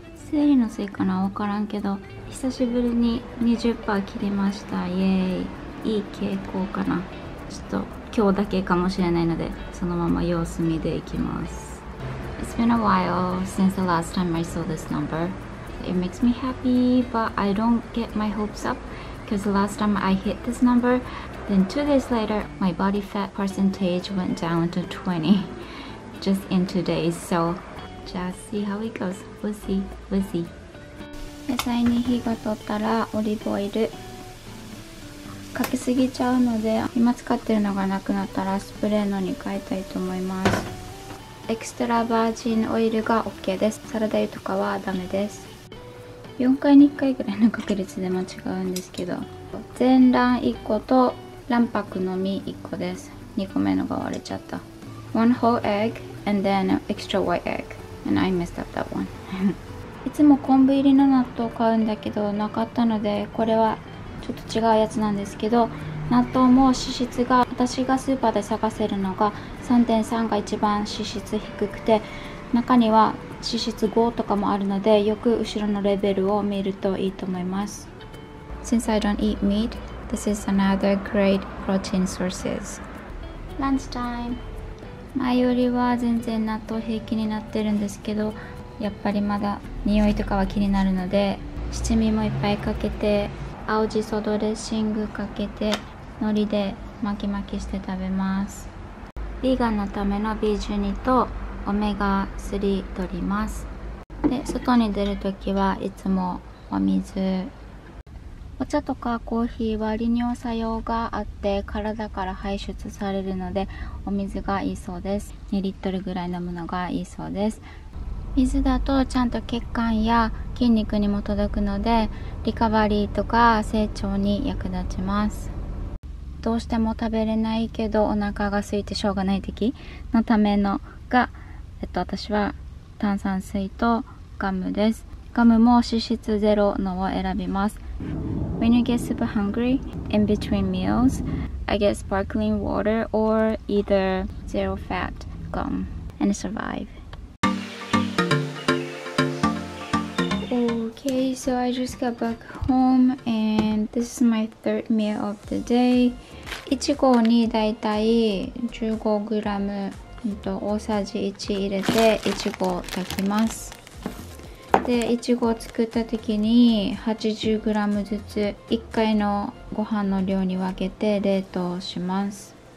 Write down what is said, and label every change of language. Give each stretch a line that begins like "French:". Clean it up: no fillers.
Japanese: 生理のせいかな、わからんけど、久しぶりに 20% 切りました。イエーイ。いい傾向かな。ちょっと今日だけかもしれないので、そのまま様子見でいきます。
English: It's been a while since the last time I saw this number. It makes me happy, but I don't get my hopes up because the last time I hit this number, then 2 days later, my body fat percentage went down to 20 just in 2 days. So just see how it goes. We'll see. We'll see.
Japanese: 野菜に火が通ったらオリーブオイル。かけすぎちゃうので、今使ってるのがなくなったらスプレーのに変えたいと思います。エクストラバージンオイルが OK です。サラダ油とかはダメです。 4回に1回ぐらいの確率でも違うんですけど、全卵1個と卵白のみ1個です。 2個目のが割れちゃった。
English: One whole egg and then extra white egg and I messed up that one.
Japanese: いつも昆布入りの納豆買うんだけどなかったので、これはちょっと違うやつなんですけど、納豆も脂質が、私がスーパーで探せるのが 3.3 が一番脂質低くて、中には脂質5とかもあるので、よく後ろのレベルを見るといいと思います。
English: Since I don't eat meat, this is another great protein sources.
Japanese: ランチタイム。前よりは全然納豆平気になってるんですけど、やっぱりまだ匂いとかは気になるので、七味もいっぱいかけて、青じそドレッシングかけて、海苔で巻き巻きして食べます。ヴィーガンのための B12 とオメガ3取ります。で外に出るときはいつもお水、お茶とかコーヒーは利尿作用があって体から排出されるので、お水がいいそうです。 2リットルぐらい飲むのがいいそうです。水だとちゃんと血管や筋肉にも届くので、リカバリーとか成長に役立ちます。どうしても食べれないけどお腹が空いてしょうがない時のためのが、私は炭酸水とガムです。ガムも脂質ゼロのを選びます。
English: When you get super hungry in between meals, I get sparkling water or either zero fat gum and survive. Okay, so I just got back home and this is my third meal of the day.
Japanese: いちごにだいたい 15g、大さじ1入れていちごを炊きます。で、いちごを作った時に 80g ずつ1回のご飯の量に分けて冷凍します。